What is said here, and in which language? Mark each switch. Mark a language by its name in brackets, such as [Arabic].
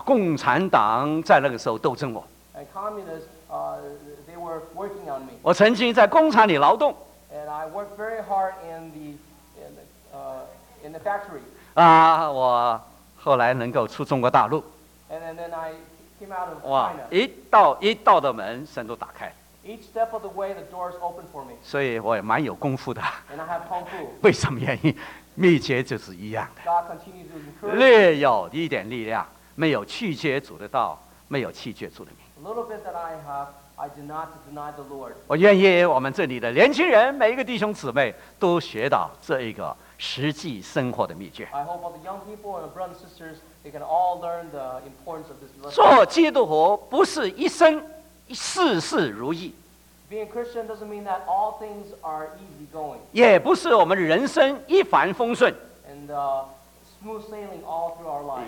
[Chinese] 共产党在那个时候斗争我。 [English] And communists, they were working on me. [Chinese] 我曾经在工厂里劳动。 [English] And I worked very hard in the factory. [Chinese] 我后来能够出中国大陆。 [English] And then I came out of China. 哇， [Chinese] 一道一道的门神都打开。 [English] Each step of the way, the doors open for me. [Chinese] 所以我也蛮有功夫的。 [English] And I have kung fu. [Chinese] 为什么原因？秘诀就是一样的。 [English] God continues to encourage me. [Chinese] 略有一点力量，没有弃绝主的道，没有弃绝主的名。 [English] A little bit that I have. I do not deny the Lord. [Chinese] 我愿意我们这里的年轻人每一个弟兄姊妹都学到这一个实际生活的秘诀。 [English] I hope all the young people and the brothers and sisters they can all learn the importance of this lesson. [Chinese] 做基督徒不是一生事事如意。 [English] Being a Christian doesn't mean that all things are easy going. [Chinese] 也不是我们人生一帆风顺。 [English] And smooth sailing all through our lives.